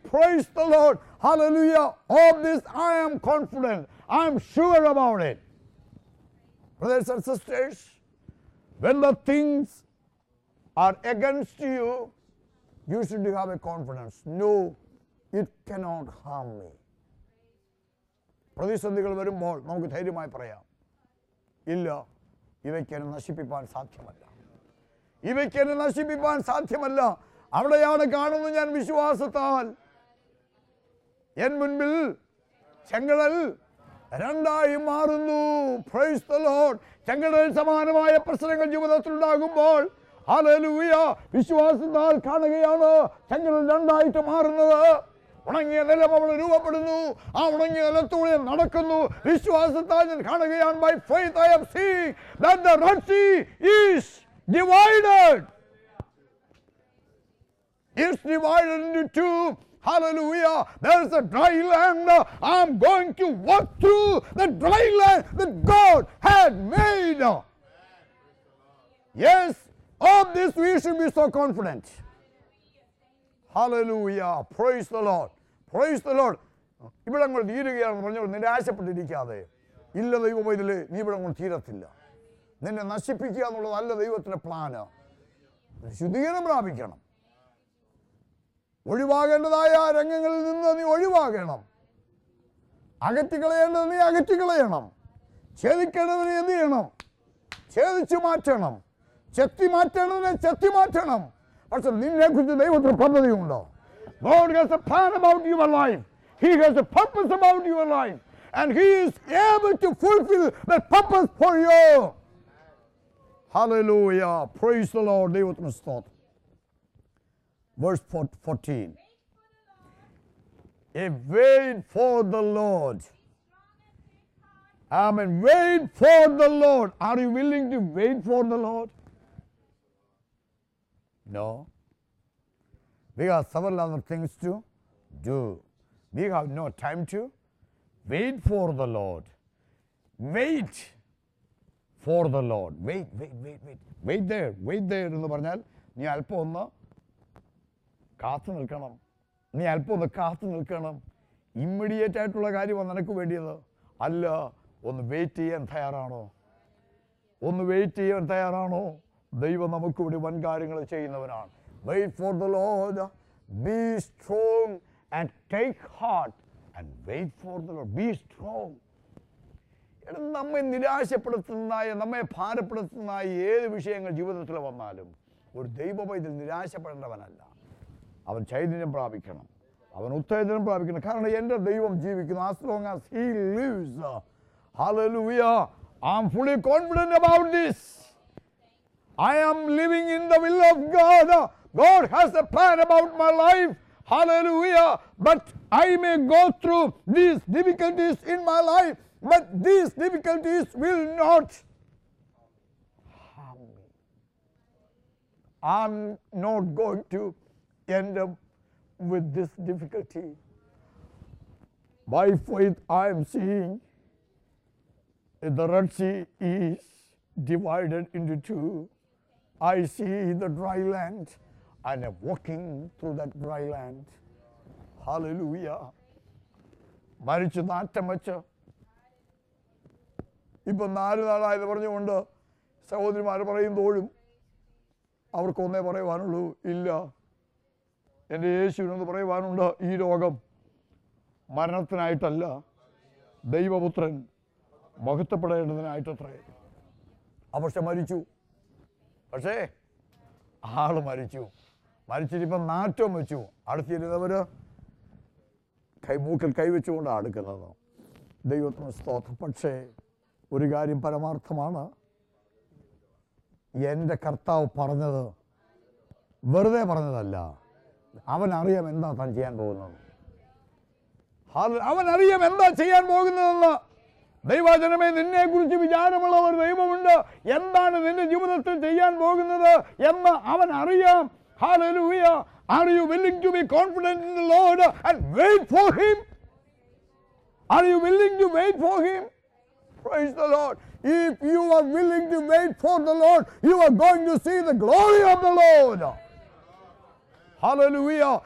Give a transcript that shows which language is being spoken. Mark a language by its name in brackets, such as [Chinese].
[English] Praise the Lord. Hallelujah. All this I am confident. I am sure about it. Brothers and sisters, when the things are against you, you should have a confidence. No, it cannot harm me. [Malayalam] പ്രതിസന്ധികൾ വരുമ്പോൾ നമുക്ക് ധൈര്യമായി പറയാം, ഇല്ല, ഇവയ്ക്കെന്നെ നശിപ്പിക്കാൻ സാധ്യമല്ല, ഇവയ്ക്കെന്നെ നശിപ്പിക്കാൻ സാധ്യമല്ല. അവിടെയാണ് കാണുന്നത് ഞാൻ വിശ്വാസത്താൽ. എൻ മുൻപിൽ ചെങ്കടൽ രണ്ടായി മാറുന്നു. [English] Praise the Lord. [Malayalam] ചെങ്കടൽ സമാനമായ പ്രശ്നങ്ങൾ ജീവിതത്തിൽ ഉണ്ടാകുമ്പോൾ ഹല്ലേലൂയ വിശ്വാസത്താൽ കാണുകയാണ് ചെങ്കടൽ രണ്ടായിട്ട് മാറുന്നത്. ഉണങ്ങിയ നിലം അവൾ രൂപപ്പെടുന്നു. ആ ഉണങ്ങിയ നിലത്തൂടെ നടക്കുന്നു. വിശ്വാസത്താൽ ഞാൻ കാണുകയാണ്. [English] By faith I am seeing that the Red Sea is divided. It's divided into two. Hallelujah. There's a dry land. I'm going to walk through the dry land that God had made. Yes, of this we should be so confident. Hallelujah. Praise the Lord. Praise the Lord. [Malayalam] ഇവിടെ അങ്ങോട്ട് തീരുകയാണെന്ന് പറഞ്ഞാൽ നിരാശപ്പെട്ടിരിക്കാതെ, ഇല്ല ദൈവം ഇതിൽ നീ ഇവിടെ അങ്ങോട്ട് തീരത്തില്ല, നിന്നെ നശിപ്പിക്കുക എന്നുള്ളതല്ല ദൈവത്തിൻ്റെ പ്ലാന്. ശുദ്ധീകരണം പ്രാപിക്കണം. ഒഴിവാകേണ്ടതായ ആ രംഗങ്ങളിൽ നിന്ന് നീ ഒഴിവാകണം. അകറ്റിക്കളയേണ്ടത് നീ അകറ്റിക്കളയണം. ഛേദിക്കേണ്ടതിനെ എന്ത് ചെയ്യണം? ഛേദിച്ചു മാറ്റണം. ചെത്തി മാറ്റേണ്ടതിനെ ചെത്തി മാറ്റണം. പക്ഷേ നിന്നെ കുറിച്ച് ദൈവത്തിന് പദ്ധതിയുണ്ടോ? [English] God has a plan about your life. He has a purpose about your life. And He is able to fulfill that purpose for you. Hallelujah. Praise the Lord. [Malayalam] ദൈവത്തിന് സ്തോത്രം. [English] Verse 14. Wait for the Lord. Amen. Wait for the Lord. Are you willing to wait for the Lord? No. We have several other things to do. We have no time to wait for the Lord. Wait for the Lord. Wait, wait, wait, wait. Wait there. Wait there. [Malayalam] എന്ന് പറഞ്ഞാൽ നീ അല്പം ഒന്ന് കാത്തു നിൽക്കണം. നീ അല്പം ഒന്ന് കാത്തു നിൽക്കണം. ഇമ്മീഡിയറ്റ് ആയിട്ടുള്ള കാര്യമാണ് നിനക്ക് വേണ്ടിയത്. അല്ല, ഒന്ന് വെയിറ്റ് ചെയ്യാൻ തയ്യാറാണോ? ഒന്ന് വെയിറ്റ് ചെയ്യാൻ തയ്യാറാണോ? ദൈവം നമുക്കിവിടെ വൻകാര്യങ്ങൾ ചെയ്യുന്നവനാണ്. [English] Wait for the Lord. Be strong and take heart and wait for the Lord. Be strong. [Malayalam] നമ്മെ നിരാശപ്പെടുത്തുന്നതായ, നമ്മെ ഭാരപ്പെടുത്തുന്നതായ ഏത് വിഷയങ്ങൾ ജീവിതത്തിൽ വന്നാലും ഒരു ദൈവവൈദ്യൻ നിരാശപ്പെടേണ്ടവനല്ല. അവൻ ചൈതന്യം പ്രാപിക്കണം, അവൻ ഉത്തേജനം പ്രാപിക്കണം. കാരണം എൻ്റെ ദൈവം ജീവിക്കുന്നു. [English] As long as he lives, hallelujah, I'm fully confident about this. I am living in the will of God. God has a plan about my life. Hallelujah. But I may go through these difficulties in my life. But these difficulties will not harm me. I'm not going to end up with this difficulty. By faith, I am seeing the Red Sea is divided into two. I see the dry land. And I'm walking through that dry land. Hallelujah. [Malayalam] മരിച്ചു നാറ്റം വെച്ച് ഇപ്പം നാല് നാളായത് പറഞ്ഞുകൊണ്ട് സഹോദരിമാർ പറയുമ്പോഴും അവർക്കൊന്നേ പറയുവാനുള്ളൂ, ഇല്ല, എൻ്റെ യേശുവിനൊന്ന് പറയുവാനുണ്ട്. ഈ രോഗം മരണത്തിനായിട്ടല്ല, ദൈവപുത്രൻ മഹത്വപ്പെടേണ്ടതിനായിട്ടത്രേ. അവശ്യ മരിച്ചു, പക്ഷേ ആള് മരിച്ചു. മരിച്ചിട്ടിപ്പം നാറ്റവും വെച്ചു. അടുത്തിരുന്നവർ കൈമൂക്കിൽ കൈവച്ചുകൊണ്ടാണ് അടുക്കുന്നത്. ദൈവത്തിന് സ്തോത്രം. പക്ഷേ ഒരു കാര്യം പരമാർത്ഥമാണ്, എൻ്റെ കർത്താവ് പറഞ്ഞത് വെറുതെ പറഞ്ഞതല്ല. അവനറിയാം എന്താ താൻ ചെയ്യാൻ പോകുന്നത്. അവനറിയാം എന്താ ചെയ്യാൻ പോകുന്നതെന്ന്. ദൈവജനമേ, നിന്നെ കുറിച്ച് വിചാരമുള്ള ഒരു ദൈവമുണ്ട്. എന്താണ് നിന്റെ ജീവിതത്തിൽ ചെയ്യാൻ പോകുന്നത് എന്ന് അവൻ അറിയാം. [English] Hallelujah. Are you willing to be confident in the Lord and wait for Him? Are you willing to wait for Him? Praise the Lord. If you are willing to wait for the Lord, you are going to see the glory of the Lord. Hallelujah.